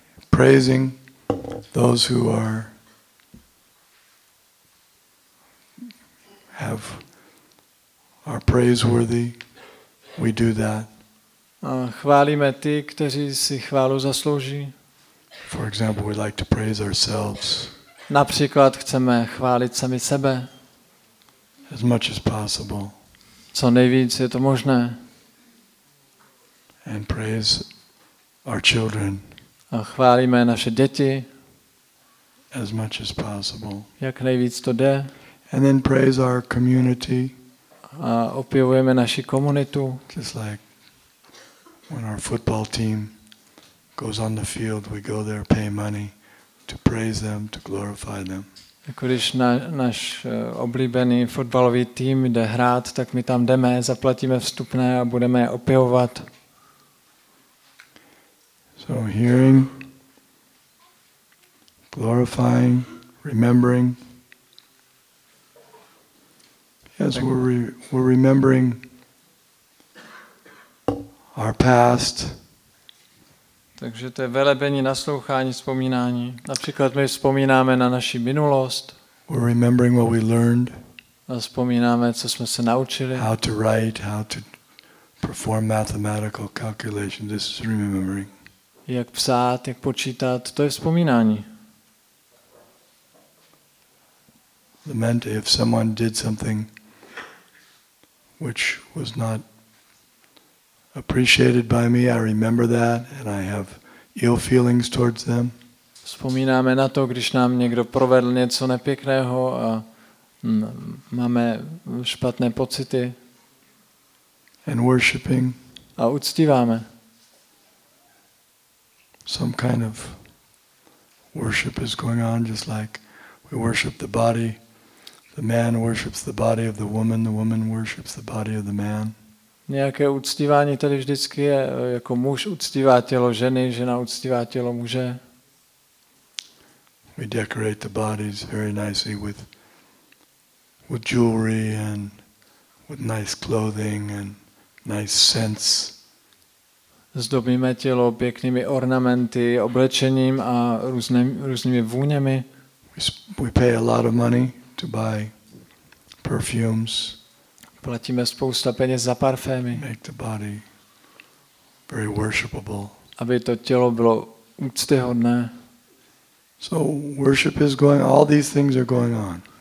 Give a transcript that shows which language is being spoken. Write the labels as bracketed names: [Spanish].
[English] Praising those who are have are praiseworthy, we do that. [Czech] Chválíme ty, kteří si chválu zaslouží. [English] For example, we like to praise ourselves. [Czech] Například chceme chválit sami sebe. [English] As much as possible. [Czech] Co nejvíc je to možné. [English] And praise our children. [Czech] A chválíme naše děti. [English] As much as possible. [Czech] Jak nejvíc to jde. [English] And then praise our community. [Czech] A opěvujeme naši komunitu. [English] Just like when our football team goes on the field, we go there, pay money to praise them, to glorify them. [Czech] Když náš oblíbený fotbalový tým jde hrát, tak my tam jdeme, zaplatíme vstupné a budeme je opěvovat. [English] So hearing, glorifying, remembering. Yes, we're remembering our past. [Czech] Takže to je velebení, naslouchání, vzpomínání. Například my vzpomínáme na naši minulost. [English] We're remembering what we learned. [Czech] A vzpomínáme, co jsme se naučili. [English] How to write, how to perform mathematical calculations. This is remembering. [Czech] Jak psát, jak počítat, to je vzpomínání. [English] Lament if someone did something which was not appreciated by me, I remember that and I have ill feelings towards them. [Czech] Vzpomínáme na to, když nám někdo provedl něco nepěkného a máme špatné pocity. [English] And worshiping. [Czech] A uctíváme. [English] Some kind of worship is going on, just like we worship the body. The man worships the body of the woman worships the body of the man. [Czech] Nějaké uctívání tady vždycky je, jako muž uctívá tělo ženy, žena uctívá tělo muže. [English] We decorate the bodies very nicely with jewelry and with nice clothing and nice scents. [Czech] Zdobíme tělo pěknými ornamenty, oblečením a různými vůněmi. [English] We pay a lot of money to buy perfumes. [Czech] Platíme spousta peněz za parfémy. [English] Make the body very worshipable. [Czech] Aby to tělo bylo úctyhodné. [English] So worship is going, all these things are going on.